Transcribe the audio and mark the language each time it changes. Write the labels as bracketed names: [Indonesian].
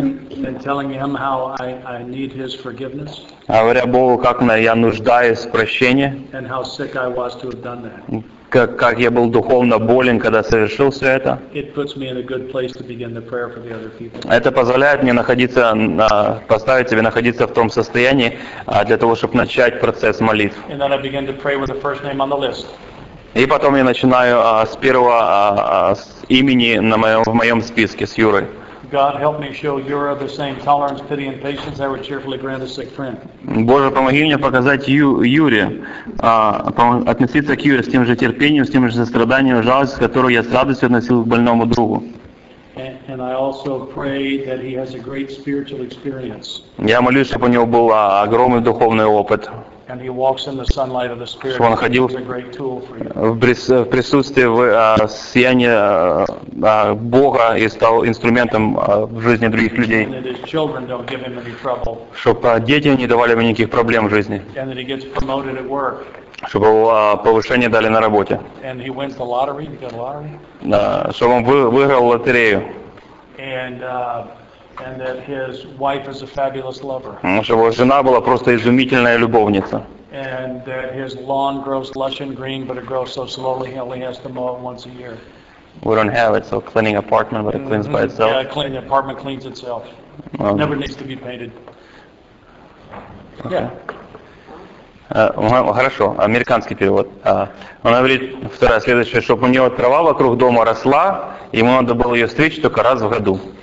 [English] And telling him how I need his forgiveness. [Russian] Говоря Богу, как я нуждаюсь в прощении. [English] And how sick I was to have done that. [Russian] Как я был духовно болен, когда совершил все это. [English] It puts me in a good place to begin the prayer for the other people. [Russian] Это позволяет мне поставить себя находиться в том состоянии, для того, чтобы начать процесс молитв. [English] And then I begin to pray with the first name on the list. [Russian] И потом я начинаю с первого с имени в моем списке с Юрой. [English] God, help me show you're of the same tolerance, pity, and patience I would cheerfully grant a sick friend. [Russian] Боже, помоги мне показать Юре, относиться к Юре с тем же терпением, с тем же состраданием, жалостью, которую я с радостью относил к больному другу. [English] And I also pray that he has a great spiritual experience. [Russian] Я молюсь, чтобы у него был огромный духовный опыт. [English] And he walks in the sunlight of the Spirit. [Russian] Чтобы он ходил в присутствии в сиянии Бога и стал инструментом в жизни других людей. [English] And that his children don't give him any trouble. [Russian] Чтобы дети не давали ему никаких проблем в жизни. [English] And that he gets promoted at work. [Russian] Чтобы повышение дали на работе. [English] And he wins the lottery. He got a lottery. [Russian] Чтобы он выиграл лотерею. [English] And that his wife is a fabulous lover. [Russian] Чтобы жена была просто изумительная любовница. [English] And that his lawn grows lush and green, but it grows so slowly he only has to mow it once a year. We don't have it, so cleaning apartment, but it cleans by itself. Yeah, cleaning apartment cleans itself. Never needs to be painted. Okay. Yeah. [Russian] Хорошо, американский перевод. Она говорит, вторая, следующая, чтобы у нее трава вокруг дома росла, ему надо было ее стричь только раз в году.